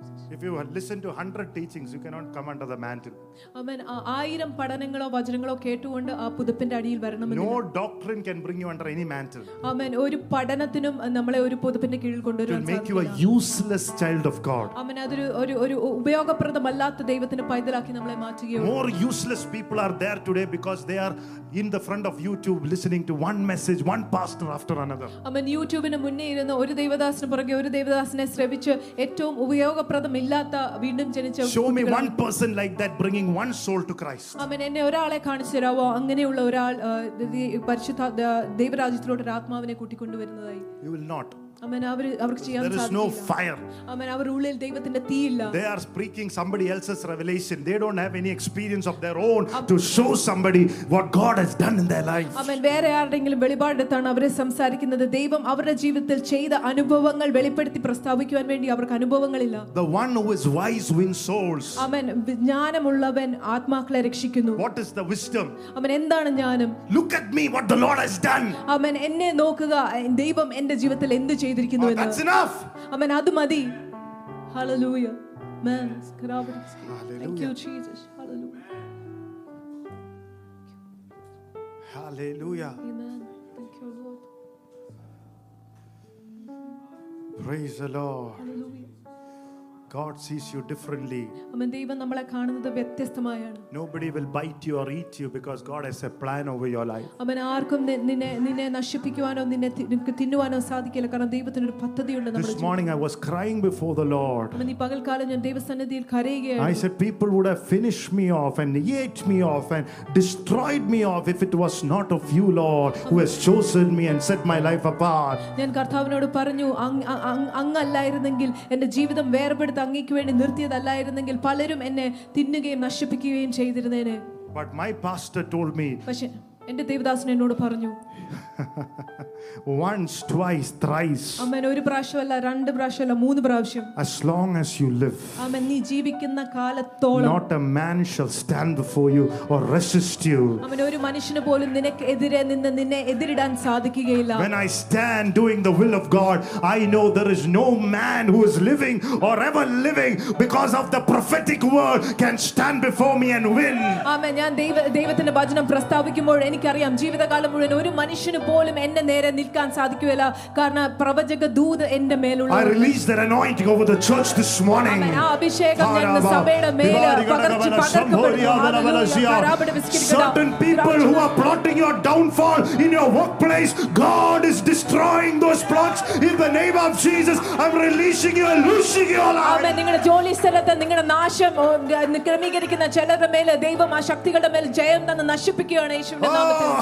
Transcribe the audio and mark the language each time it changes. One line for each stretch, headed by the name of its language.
English: If you have listened to 100 teachings, you cannot come under the mantle. Amen.
Malayalam: ആയിരം പഠനങ്ങളോ വചനങ്ങളോ കേട്ടുകൊണ്ട് ആ പുതപ്പിന്റെ അടിയിൽ വരണമെന്നില്ല.
English: No doctrine can bring you under any mantle. Amen.
Malayalam: ഒരു പഠനത്തിനും നമ്മളെ ഒരു പുതപ്പിന്റെ കീഴിൽ കൊണ്ടുവരാൻ സാധിക്കില്ല.
English: It will make you a useless child of God. Amen.
Malayalam: അതൊരു ഒരു ഒരു ഉപയോഗപ്രദമല്ലാത്ത ദൈവത്തിന് പൈതലാക്കി നമ്മളെ മാറ്റുകയാണ്.
English: More useless people are there today because they are in the front of YouTube listening to one message, one pastor after another. Amen.
Malayalam: YouTube-ന്റെ മുന്നിൽ ഇരുന്ന് ഒരു ദൈവദാസനെ പുറകെ ഒരു ദൈവദാസനെ ശ്രവിച്ച് ഏറ്റവും ഉപയോഗപ്രദമില്ലാത്ത വീണ്ടും ജനിച്ച
English: Show me one person like that bringing one soul to Christ. Amen.
Malayalam: എന്നെ ഒരാളെ കാണിച്ചുതരാവോ അങ്ങനെയുള്ള ഒരാൾ പരിശുദ്ധ ദൈവരാജ്യത്തിലോട്ട് ഒരു ആത്മാവിനെ കൂട്ടിക്കൊണ്ടുവരുന്നതായി.
English: You will not.
Malayalam: Amen. അവർക്ക് ചെയ്യാൻ സാധിക്കില്ല.
English: There is no fire.
Malayalam: Amen. അവർ ഉള്ളിൽ ദൈവത്തിന്റെ തീ ഇല്ല.
English: They are speaking somebody else's revelation. They don't have any experience of their own to show somebody what God has done in their life. Amen.
Malayalam: വേറെ ആരെങ്കിലും വെളിപാടെടുത്താണ് അവരെ സംസാരിക്കുന്നത്. ദൈവം അവരുടെ ജീവിതത്തിൽ ചെയ്ത അനുഭവങ്ങൾ വെളിപ്പെടുത്തി പ്രസ്താവിക്കുവാൻ വേണ്ടി അവർക്ക് അനുഭവങ്ങളില്ല.
English: The one who is wise wins souls. Amen.
Malayalam: ജ്ഞാനമുള്ളവൻ ആത്മാക്കളെ രക്ഷിക്കുന്നു.
English: What is the wisdom?
Malayalam: Amen. എന്താണ് ജ്ഞാനം?
English: Look at me what the Lord has done. Amen.
Malayalam: എന്നെ നോക്കുക, ദൈവം എൻ്റെ ജീവിതത്തിൽ എന്ത് ചെയ്തിരിക്കുന്നു എന്ന്.
English: That's enough. Amen.
Malayalam: അത് മതി.
English: Hallelujah. Amen. Thank you Jesus. Hallelujah. Hallelujah. Amen. Thank you Lord. Praise the Lord. Hallelujah. God sees you differently.
Malayalam: അമ്മേ ദൈവം നമ്മളെ കാണുന്നത് വ്യത്യസ്തമായാണ്.
English: Nobody will bite you or eat you because God has a plan over your life.
Malayalam: അമ്മേ ആർക്കും നിന്നെ നശിപ്പിക്കാനോ നിന്നെ തിന്നുവാനോ സാധിക്കില്ല കാരണം ദൈവത്തിന് ഒരു പദ്ധതി ഉണ്ട് നമ്മളെ.
English: This morning I was crying before the Lord.
Malayalam: അമ്മേ ഈ പകൽക്കാലം ഞാൻ ദൈവസന്നിധിയിൽ കരയുകയാണ്.
English: I said people would have finished me off and ate me off and destroyed me off if it was not of you Lord who has chosen me and set my life apart.
Malayalam: ഞാൻ കർത്താവിനോട് പറഞ്ഞു അങ്ങല്ലായിരുന്നെങ്കിൽ എൻ്റെ ജീവിതം വേറെ അങ്ങേക്ക് വേണ്ടി നിർത്തിയതല്ലായിരുന്നെങ്കിൽ പലരും എന്നെ തിന്നുകയും നശിപ്പിക്കുകയും ചെയ്തിരുന്നേനെ.
English: But my pastor told me.
Malayalam: പക്ഷേ എൻ്റെ ദൈവദാസൻ എന്നോട് പറഞ്ഞു.
English: Once, twice, thrice.
Malayalam: അമ്മേ ഒരു പ്രാവശ്യമല്ല രണ്ട് പ്രാവശ്യമല്ല മൂന്ന് പ്രാവശ്യം.
English: As long as you live.
Malayalam: അമ്മേ നീ ജീവിക്കുന്ന കാലത്തോളം.
English: Not a man shall stand before you or resist you.
Malayalam: അമ്മേ ഒരു മനുഷ്യനെ പോലും നിനക്കെതിരെ നിന്ന് നിന്നെ എതിരിടാൻ സാധിക്കുകയില്ല.
English: When I stand doing the will of God, I know there is no man who is living or ever living because of the prophetic word can stand before me and win.
Malayalam: അമ്മേ ഞാൻ ദൈവത്തിന്റെ വചനം പ്രസ്താവിക്കുമ്പോൾ എനിക്കറിയാം ജീവിതകാലം മുഴുവൻ ഒരു മനുഷ്യന് പോലും എന്നെ നേരെ നിൽക്കാൻ സാധിക്കുകയില്ല കാരണം പ്രവചക ദൂത് എന്റെ മേലുള്ള
English: I release that anointing over the church this morning.
Malayalam: ആ അഭിഷേകം ഞാൻ സഭയുടെ മേൽ പകർത്തിപ്പകർത്തുകയാണ്.
English: Certain people who are plotting your downfall in your workplace, God is destroying those plots in the name of Jesus. I'm releasing you and loosing your life.
Malayalam: ആമേൻ. നിങ്ങളുടെ ജോലി സ്ഥലത്തെ നിങ്ങളുടെ നാശം ക്രമീകരിക്കുന്ന ചിലരുടെ മേൽ ദൈവം ആ ശക്തികളുടെ മേൽ ജയം തന്ന് നശിപ്പിക്കുകയാണ് യേശുവിന്റെ നാമത്തിൽ.